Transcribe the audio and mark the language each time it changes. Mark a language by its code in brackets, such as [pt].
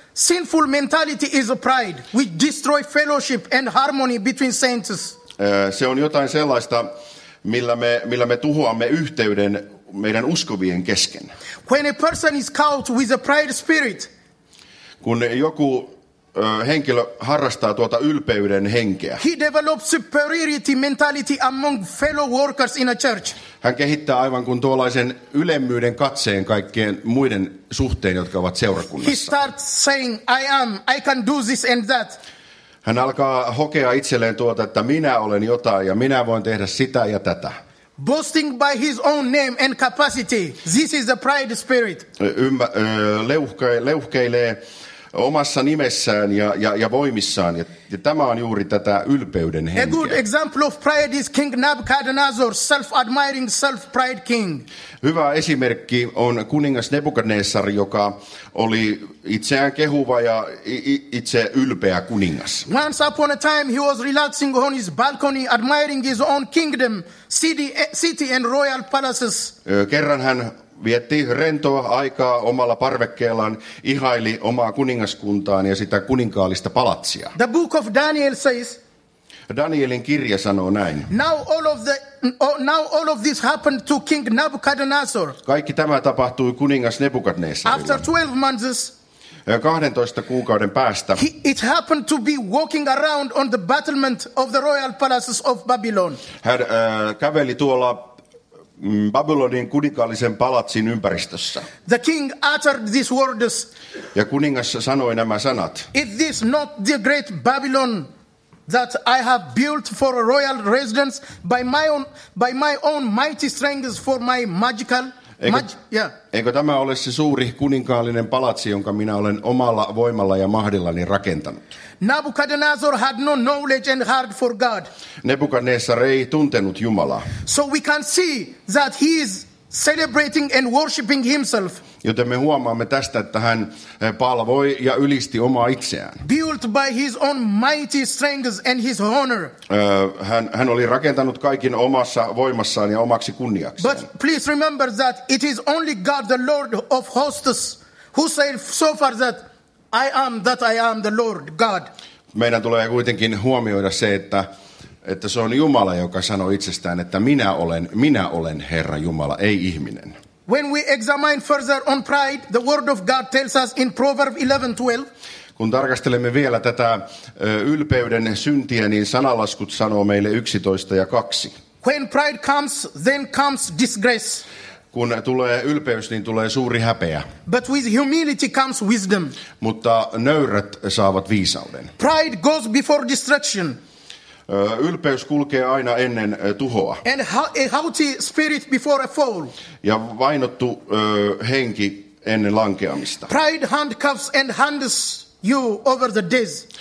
[en] Sinful mentality is a pride which destroys fellowship and harmony between saints. [fi] Se on jotain sellaista, millä me tuhoamme yhteyden meidän uskovien kesken. [en] When a person is caught with a pride spirit, [fi] kun joku henkilö harrastaa tuota ylpeyden henkeä. [en] He develops superiority mentality among fellow workers in a church. [fi] Hän kehittää aivan kuin tuollaisen ylemmyyden katseen kaikkien muiden suhteen, jotka ovat seurakunnassa. [en] He starts saying, I am, I can do this and that. [fi] Hän alkaa hokea itselleen tuota, että minä olen jotain ja minä voin tehdä sitä ja tätä. [en] Boasting by his own name and capacity. This is the pride spirit. [fi] Leuhkeilee omassa nimessään ja voimissaan. Ja tämä on juuri tätä ylpeyden henkeä. [en] A good example of pride is King Nebuchadnezzar, self-admiring, self-pride king. [fi] Hyvä esimerkki on kuningas Nebukadnessar, joka oli itseään kehuva ja itse ylpeä kuningas. [en] Once upon a time he was relaxing on his balcony, admiring his own kingdom, city and royal palaces. [fi] Kerran hän vietti rentoa aikaa omalla parvekkeellaan, ihaili omaa kuningaskuntaan ja sitä kuninkaallista palatsia. [en] The book of Daniel says, [fi] Danielin kirja sanoo näin. [en] Now all of this happened to King Nebuchadnezzar. [fi] Kaikki tämä tapahtui kuningas Nebukadnessarille. [en] After 12 months, [fi] 12 kuukauden päästä, [en] it happened to be walking around on the battlement of the royal palaces of Babylon. [fi] Hän käveli tuolla Babylonin kuninkaallisen palatsin ympäristössä. [en] The king uttered these words. [fi] Ja kuningas sanoi nämä sanat. [en] Is this not the great Babylon that I have built for a royal residence by my own mighty strength for my magical [fi] Eikö tämä ole se suuri kuninkaallinen palatsi, jonka minä olen omalla voimalla ja mahdillani rakentanut? [en] Nebuchadnezzar had no knowledge and heart for God. [fi] Nebukadnessar ei tuntenut Jumalaa. [en] So we can see that he is celebrating and worshiping himself. [fi] Joten me huomaamme tästä, että hän palvoi ja ylisti omaa itseään. [en] Built by his own mighty strength and his honor. [fi] Hän oli rakentanut kaikin omassa voimassaan ja omaksi kunniakseen. [en] But please remember that it is only God, the Lord of hosts, who said so far that I am that I am the Lord God. [fi] Meidän tulee kuitenkin huomioida se, että se on Jumala, joka sanoi itsestään, että minä olen Herra Jumala, ei ihminen. [en] When we examine further on pride, the word of God tells us in Proverbs 11:12. [fi] Kun tarkastelemme vielä tätä ylpeyden syntiä, niin sanalaskut sanoo meille 11:2. [en] When pride comes, then comes disgrace. [fi] Kun tulee ylpeys, niin tulee suuri häpeä. [en] But with humility comes wisdom. [fi] Mutta nöyrät saavat viisauden. [en] Pride goes before destruction. [fi] Ylpeys kulkee aina ennen tuhoa. [en] And a haughty spirit before a fall. [fi] Ja vainottu henki ennen lankeamista. [en] Pride handcuffs and hands you over the death.